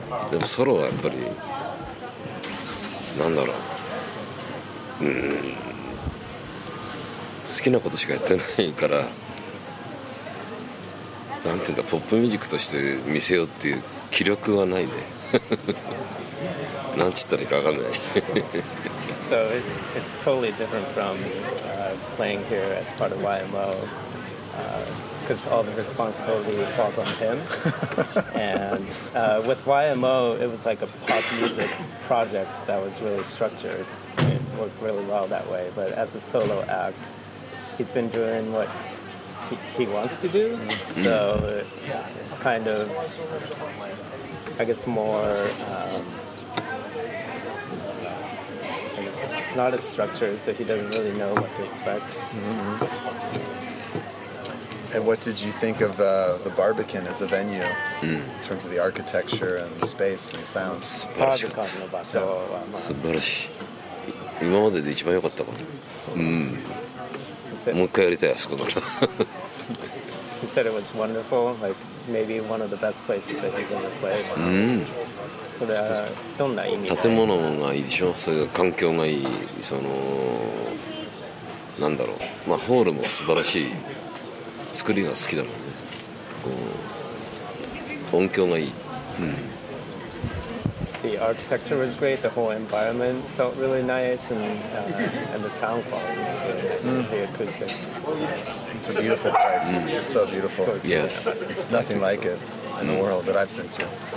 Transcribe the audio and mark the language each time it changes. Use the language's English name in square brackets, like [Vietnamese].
[Japanese] でもソロはやっぱりなんだろう、好きなことしかやってないから、なんていうんだ、ポップミュージックとして見せようっていう気力はないね。なんちったらいいか分かんない。 [English] So it's totally different from playing here as part of YMO, because all the responsibility falls on him. And with YMO, it was like a pop music project that was really structured. It worked really well that way. But as a solo act, he's been doing what he wants to do, so it's kind of, I guess, more, I guess it's not as structured, so he doesn't really know what to expect. Mm-hmm. And what did you think of the Barbican as a venue, in terms of the architecture and the space and the sound? [Japanese] Barbican の場所は、まあ、素晴らしい。今までで一番良かったかな。もう一回やりたい、あそこだな。 [English] He said it was wonderful, like maybe one of the best places that he's ever played. [Japanese] それはどんな意味だ？建物がいいでしょ、それが環境がいい、そのなんだろう、まあホールも素晴らしい、作りが好きだもんね、こう音響がいい、 [English] The architecture was great, the whole environment felt really nice, and the sound quality was really nice, the acoustics. It's a beautiful place. Mm. It's so beautiful. Yeah. It's nothing like it in the world that I've been to.